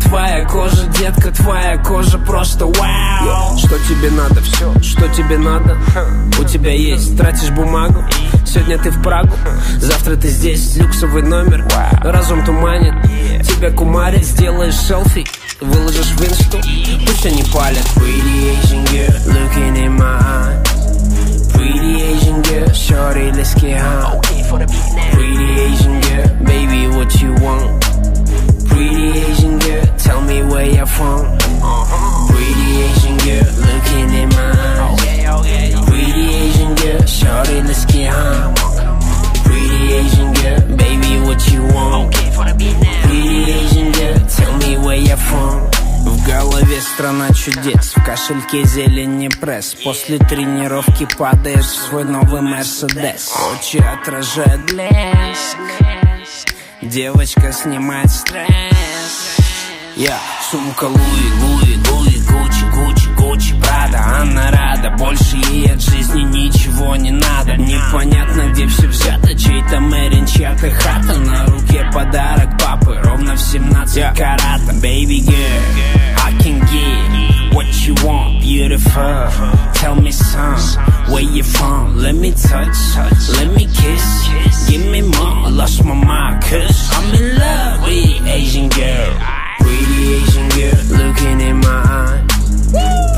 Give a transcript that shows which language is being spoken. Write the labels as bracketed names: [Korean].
[Russian] Твоя кожа, детка, твоя кожа просто вау. Что тебе надо, все, что тебе надо? У тебя есть, тратишь бумагу? Сегодня ты в Прагу, завтра ты здесь, люксовый номер. Разум туманит, тебя кумарит, сделаешь селфи. Выложишь в инсту, пусть они палят. [English] Pretty Asian girl, looking in my eyes. Pretty Asian girl, shorty, let's get high. Pretty Asian girl, baby, what you want? Pretty Asian girl, tell me where you're from. Pretty Asian girl, looking in my eyes. Pretty Asian girl, shorty, let's get high. Pretty Asian girl, baby, what you want? Pretty Asian girl, tell me where you're from. [Russian] В голове страна чудес, в кошельке зелени пресс. После тренировки падаешь в свой новый Мерседес. Очи отражают блеск, девочка снимает стресс. Сумка Луи, Луи, Луи, Гуччи, Гуччи, Гуччи, Прада. Она рада, больше ей от жизни ничего не надо. Непонятно, где все взято, чей-то мэрин, чья-то хата. На руке подарок папы, ровно в 17 карата. [English] Baby girl, I can get what you want, beautiful. Tell me some, where you from? Let me touch, let me kiss. Give me more, lost my mind, cause I'm in love with Asian girl. Pretty Asian girl, looking in my eyes.